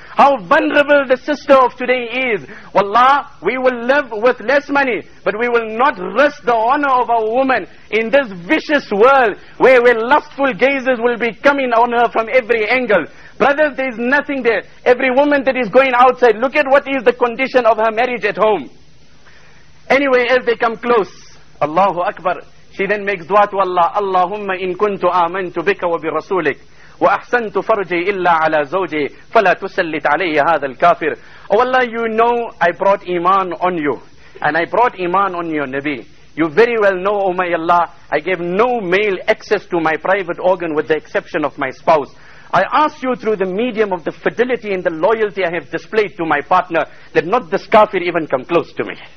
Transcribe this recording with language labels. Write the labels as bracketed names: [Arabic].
[English] How vulnerable the sister of today is. Wallah, we will live with less money, but we will not risk the honor of a woman in this vicious world where lustful gazes will be coming on her from every angle. Brothers, there is nothing there. Every woman that is going outside, look at what is the condition of her marriage at home. Anyway, as they come close, Allahu Akbar, she then makes dua to Allah. [Arabic] Allahumma in kuntu amantu bika wa bi rasulik. وأحسنت فرجي إلا على زوجي فلا تسلط علي هذا الكافر. [English] Oh Allah, you know I brought iman on you and I brought iman on your Nabi. You very well know, O my Allah, I gave no male access to my private organ with the exception of my spouse. I ask you through the medium of the fidelity and the loyalty I have displayed to my partner that not this kafir even come close to me.